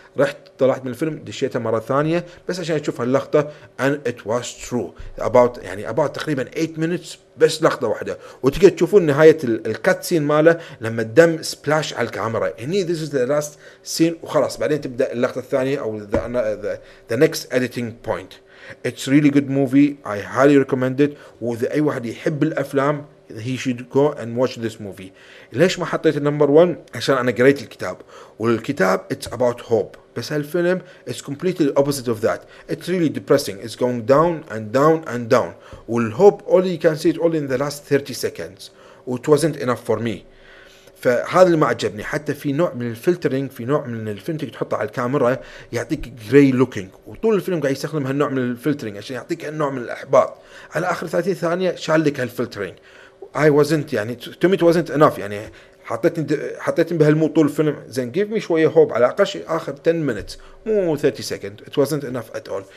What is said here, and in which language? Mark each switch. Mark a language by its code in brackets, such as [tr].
[ar] رحت طلعت من الفيلم دشيتها مرة ثانية بس عشان أشوف هاللقطة, [en] and it was true about [ar] يعني about تقريباً 8 minutes بس لقطة واحدة. وتقدر تشوفون نهاية الكاتسين ماله لما الدم سبلاش على الكاميرا هني, [en] this is the last scene [ar] وخلاص, بعدين تبدأ اللقطة الثانية أو [en] the next editing point. It's really good movie, I highly recommend it. [ar] وإذا أي واحد يحب الأفلام [en] he should go and watch this movie. [ar] ليش ما حطيت number 1؟ عشان أنا قريت الكتاب, والكتاب [en] it's about hope, [ar] بس هالفيلم [en] it's completely opposite of that. It's really depressing, it's going down and down and down, والhope only you can see it only in the last 30 seconds, it wasn't enough for me. [ar] فهذا اللي ما عجبني. حتى في نوع من الفلترينج, في نوع من الفلترينج تحطه على الكاميرا يعطيك [en] grey looking, [ar] وطول الفيلم قاعد يستخدم هالنوع من الفلترينج عشان يعطيك هالنوع من الإحباط. على آخر 30 ثانية شال لك هالفلترينج. [en] I wasn't يعني to me it wasn't enough يعني [ar] حطيتني بهالمود طول الفيلم, [en] زين give me شوية hope [ar] على الأقل آخر [en] 10 minutes مو 30 seconds, it wasn't enough at all.